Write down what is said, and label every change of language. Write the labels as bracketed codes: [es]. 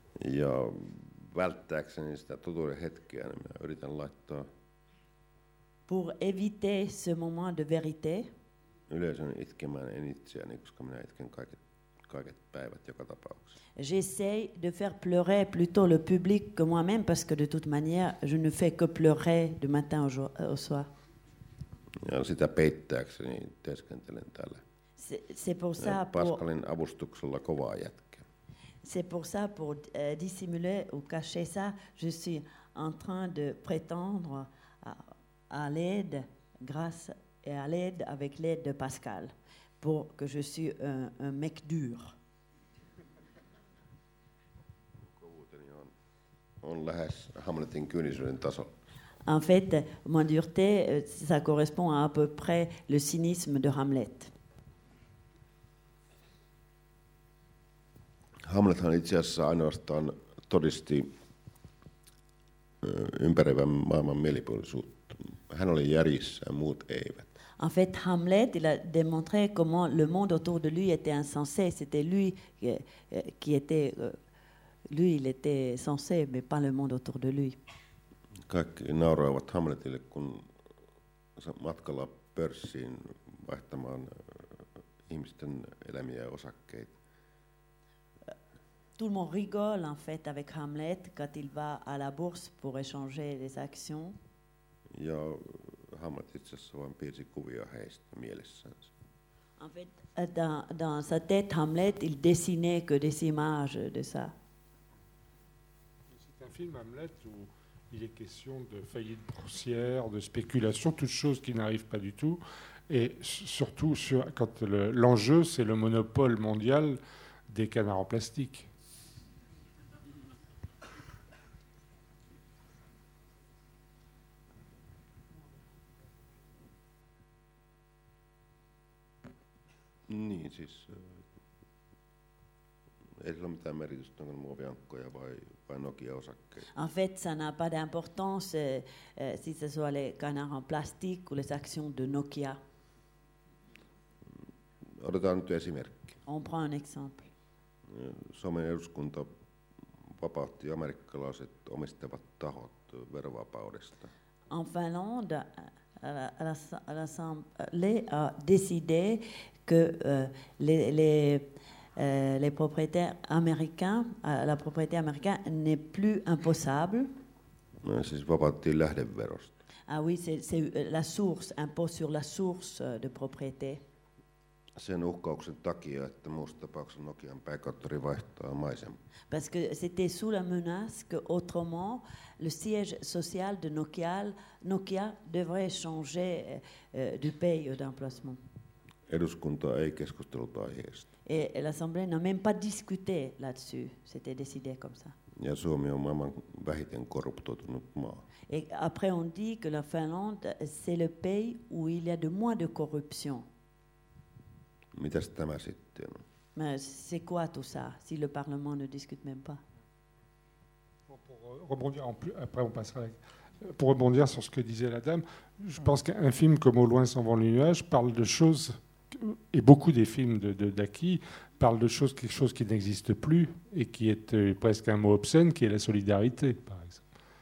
[fi] Ja välttääkseni sitä totuuden hetkeä, niin minä yritän laittaa [fr] pour éviter ce moment de vérité. [fi] Yleisön itkemään en itseäni, koska minä itken kaiket päivät joka tapauksessa. [fr] J'essaie de faire pleurer plutôt le public que moi-même parce que de toute manière je ne fais que pleurer du matin au soir. [fi] Ja sitä peittääkseni teeskentelen täällä. [fr] C'est pour ça [fi] pour Pascalin avustuksella kovaa jätkää. [fr] C'est pour ça pour dissimuler ou cacher ça, je suis en train de prétendre à l'aide grâce et à l'aide avec l'aide de Pascal. Pour que je suis un mec dur. [fi] On lähes Hamletin kyynisyyden tasolla. [fr] En fait, moins dureté, ça correspond à peu près le cynisme de Hamlet. [fi] Hamlethan itse asiassa ainoastaan todisti ympäröivän maailman mielipuolisuutta. Hän oli järjissä, muut eivät. [fr] En fait, Hamlet, il a démontré comment le monde autour de lui était insensé. C'était lui qui était, lui, il était sensé, mais pas le monde autour de lui. [fi] Kaikki nauroivat Hamletille, kun matkalla pörssiin vaihtamaan ihmisten elämiä ja osakkeita. [fr] Tout le monde rigole en fait avec Hamlet quand il va à la bourse pour échanger les actions. [fi] Ja Hamlet itse asiassa vain piirsi kuvia heistä mielessänsä. [fr] En fait, dans sa tête, Hamlet, il dessinait que des images de ça. C'est un film Hamlet où il est question de faillite boursière, de spéculation, toutes choses qui n'arrivent pas du tout. Et surtout sur, quand l'enjeu, c'est le monopole mondial des canards en plastique. [fi] Niin, siis ei sillä ole mitään merkitystä, onko ne muoviankkoja vai Nokia-osakkeita. [fr] En fait, ça n'a pas d'importance si ce soit les canards en plastique ou les actions de Nokia. [fi] Otetaan nyt esimerkki. [fr] On prend un exemple. [fi] Suomen eduskunta vapautti amerikkalaiset omistavat tahot verovapaudesta. [fr] En Finlande, l'Assemblée a décidé que les propriétaires américains, la propriété américaine n'est plus imposable. [fi] Non, siis vapautettiin lähdeverosta. [fr] Ah oui, c'est la source, impôt sur la source de propriété. [fi] Sen uhkauksen takia, että muussa tapauksessa Nokian pääkonttori vaihtaa maisema. [fr] Parce que c'était sous la menace que autrement le siège social de Nokia devrait changer de pays d'emplacement. [fi] Eduskunta ei keskustellut aiheesta. [fr] Et l'Assemblée n'a même pas discuté là-dessus. C'était décidé comme ça. [fi] Ja Suomi on maailman vähiten korruptoitunut maa. [fr] Et après on dit que la Finlande c'est le pays où il y a de moins de corruption. [fi] Mitäs tämä sitten? [fr] Mais c'est quoi tout ça si le Parlement ne discute même pas? Pour rebondir en plus, après on passera avec. Pour rebondir sur ce que disait la dame, je pense qu'un film comme Au loin s'en vont les nuages parle de choses, et beaucoup des films de d'Aki parlent de choses, quelque chose qui n'existe plus et qui est presque un mot obscène, qui est la solidarité, par exemple.